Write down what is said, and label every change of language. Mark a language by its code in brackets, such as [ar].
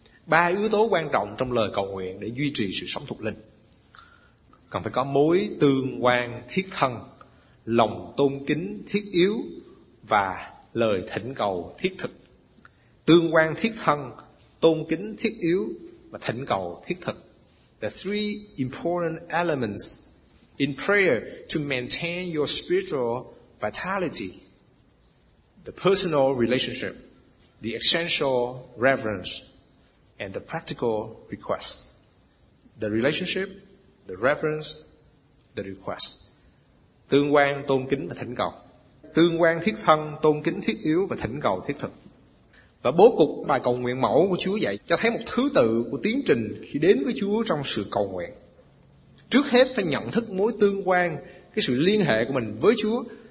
[vi] Ba yếu tố quan trọng trong lời cầu nguyện để duy trì sự sống thuộc linh. Cần phải có mối tương quan thiết thân, lòng tôn kính thiết yếu và lời thỉnh cầu thiết thực. Tương quan thiết thân, tôn kính thiết yếu và thỉnh cầu thiết thực. [en] The three important elements in prayer to maintain your spiritual vitality. The personal relationship, the essential reverence and the practical request. The relationship, the reverence, the request. [vi] Tương quan tôn kính và thỉnh cầu. Tương quan thiết thân, tôn kính thiết yếu và thỉnh cầu thiết thực. Và bố cục bài cầu nguyện mẫu của Chúa dạy cho thấy một thứ tự của tiến trình khi đến với Chúa trong sự cầu nguyện. Trước hết phải nhận thức mối tương quan, cái sự liên hệ của mình với Chúa.